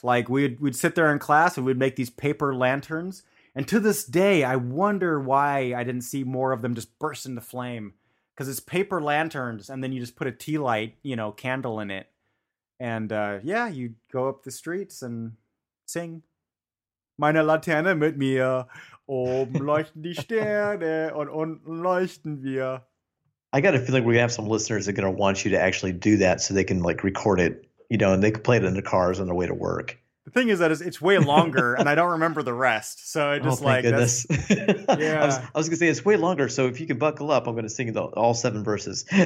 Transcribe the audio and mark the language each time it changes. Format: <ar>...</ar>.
<en>Like, we'd sit there in class and we'd make these paper lanterns. And to this day, I wonder why I didn't see more of them just burst into flame. Because it's paper lanterns, and then you just put a tea light, you know, candle in it. And you go up the streets and sing.</en> <de>Meine Laterne mit mir. Oben leuchten die Sterne und unten leuchten wir.</de> <en>I got a feeling we have some listeners that are going to want you to actually do that so they can, like, record it. You know, and they could play it in the cars on their way to work. The thing is that it's way longer, and I don't remember the rest. So I just goodness. Yeah. I was going to say, it's way longer, so if you can buckle up, I'm going to sing all seven verses.</en>